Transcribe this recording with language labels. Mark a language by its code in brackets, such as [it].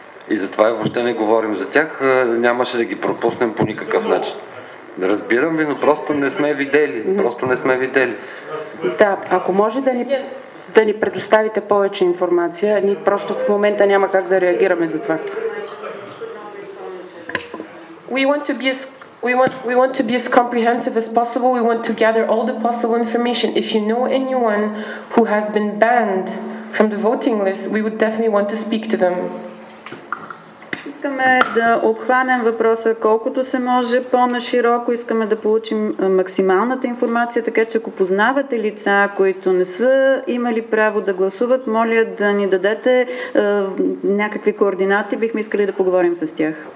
[bg] И затова и въобще не говорим за тях. Нямаше да ги пропуснем по никакъв начин. Разбирам ви, но просто не сме видели. Просто не сме видели. Да, ако може да ни предоставите повече информация, ние просто в момента няма как да реагираме за това. [en] We want to be as comprehensive as possible. We want to gather all the possible information. If you know anyone who has been banned from the voting list, we would definitely want to speak to them. [bg] Искаме да обхванем въпроса колкото се може по-нашироко. Искаме да получим максималната информация, така че ако познавате лица, които не са имали право да гласуват, моля да ни дадете някакви координати. Бихме искали да поговорим с тях.